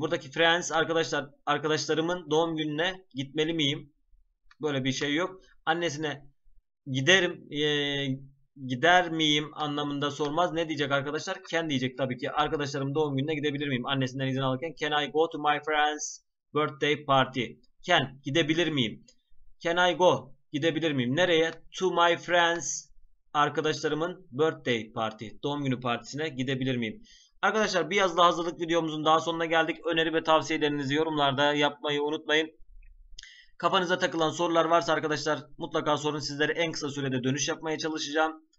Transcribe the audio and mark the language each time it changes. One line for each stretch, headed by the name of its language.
Turkish: Buradaki friends arkadaşlarımın doğum gününe gitmeli miyim? Böyle bir şey yok. Annesine giderim. Gider miyim anlamında sormaz. Ne diyecek arkadaşlar? Can diyecek tabii ki. Arkadaşlarım doğum gününe gidebilir miyim? Annesinden izin alırken.
English: Can I go to my friend's birthday party?
Turkish: Can, gidebilir miyim?
English: Can I go,
Turkish: gidebilir miyim? Nereye?
English: To my friend's
Turkish: arkadaşlarımın
English: birthday party.
Turkish: Doğum günü partisine gidebilir miyim? Arkadaşlar bir yazılı hazırlık videomuzun daha sonuna geldik. Öneri ve tavsiyelerinizi yorumlarda yapmayı unutmayın. Kafanıza takılan sorular varsa arkadaşlar mutlaka sorun sizlere en kısa sürede dönüş yapmaya çalışacağım.